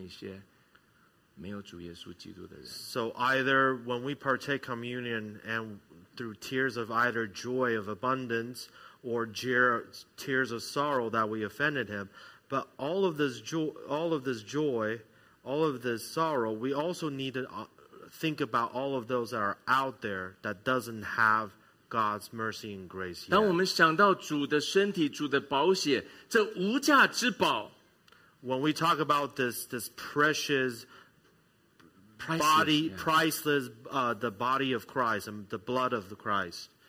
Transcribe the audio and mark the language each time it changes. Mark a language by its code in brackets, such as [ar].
[zh] 当我们在神的面前，我们流泪，我们伤心，因为我们再次刺痛他的心。可是我们却在喜乐当中流泪，领受到他的恩典的时候，弟兄姐妹，我们要想到那些没有主耶稣基督的人。 [en] So either when we partake communion and through tears of either joy of abundance or tears of sorrow that we offended Him, but all of this joy, all of this sorrow, we also need to think about all of those that are out there that doesn't have God's mercy and grace yet. [zh] 当我们想到主的身体，主的宝血，这无价之宝。 [en] When we talk about this precious body, priceless, the body of Christ and the blood of Christ.